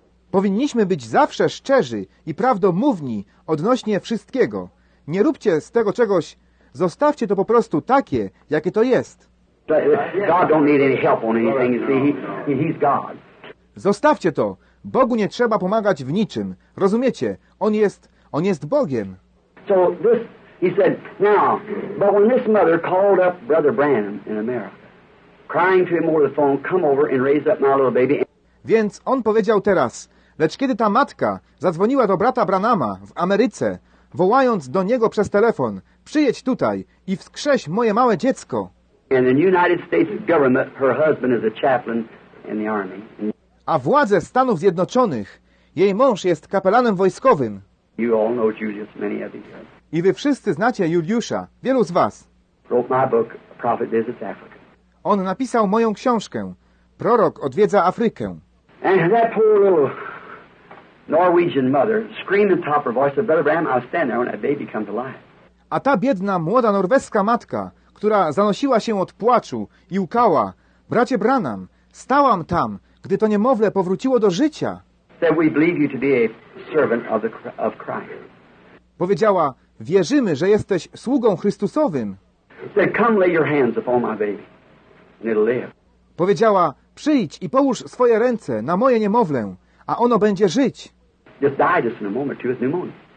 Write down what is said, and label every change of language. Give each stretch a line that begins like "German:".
Polish: Powinniśmy być zawsze szczerzy i prawdomówni odnośnie wszystkiego. Nie róbcie z tego czegoś. Zostawcie to po prostu takie, jakie to jest.
English: God don't need any help on anything, you see. He's God.
Polish: Zostawcie to. Bogu nie trzeba pomagać w niczym. Rozumiecie? On jest Bogiem.
English: So this, he said, now, but when this mother called up Brother Branham in America, crying to him over the phone, come over and raise up my little baby.
Polish: Więc on powiedział teraz, lecz kiedy ta matka zadzwoniła do brata Branhama w Ameryce, wołając do niego przez telefon, przyjedź tutaj i wskrześ moje małe dziecko.
English: And the United States government, her husband is a chaplain in the army.
Polish: a władze Stanów Zjednoczonych. Jej mąż jest kapelanem wojskowym.
English: You all know Julius, many of you.
Polish: I wy wszyscy znacie Juliusza, wielu z was.
English: Wrote my book, Prophet Visits Africa.
Polish: On napisał moją książkę, Prorok odwiedza Afrykę.
English: And that poor little Norwegian mother screamed in top of her voice, Brother Bram, I'll stand there when that baby comes alive.
Polish: A ta biedna, młoda norweska matka, która zanosiła się od płaczu i łkała, bracie Branham, stałam tam, gdy to niemowlę powróciło do życia.
English: Said, we believe you to be a servant of the, of Christ.
Polish: Powiedziała, wierzymy, że jesteś sługą Chrystusowym.
English: Said, come lay your hands upon my baby, and it'll live.
Polish: Powiedziała, przyjdź i połóż swoje ręce na moje niemowlę, a ono będzie żyć.
English: Just died just in a moment to his pneumonia.